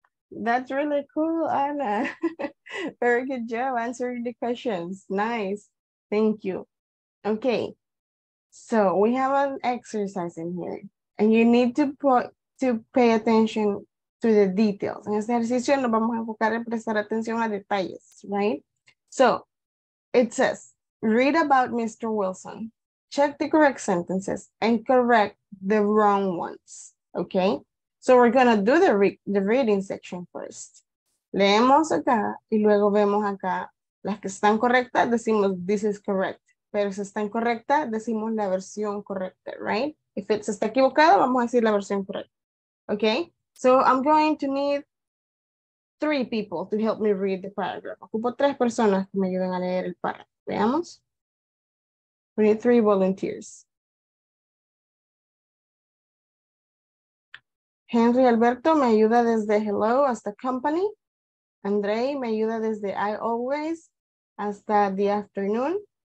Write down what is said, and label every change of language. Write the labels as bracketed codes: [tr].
[en] That's really cool, Anna. Very good job answering the questions. Nice. Thank you. Okay. So we have an exercise in here, and you need to pay attention to the details. [es] En este ejercicio nos vamos a enfocar en prestar atención a detalles, right? [en] So, it says, read about Mr. Wilson. Check the correct sentences and correct the wrong ones, okay? So we're gonna do the reading section first. [es] Leemos acá y luego vemos acá las que están correctas, decimos [en] this is correct. [es] Pero si está incorrecta, decimos la versión correcta, right? [en] If it's [es] está equivocado, vamos a decir la versión correcta, okay? [en] So I'm going to need 3 people to help me read the paragraph. [es] Ocupo 3 personas que me ayuden a leer el párrafo. Veamos. [en] We need 3 volunteers. [es] Henry Alberto me ayuda desde hello hasta company. Andre me ayuda desde I always hasta the afternoon.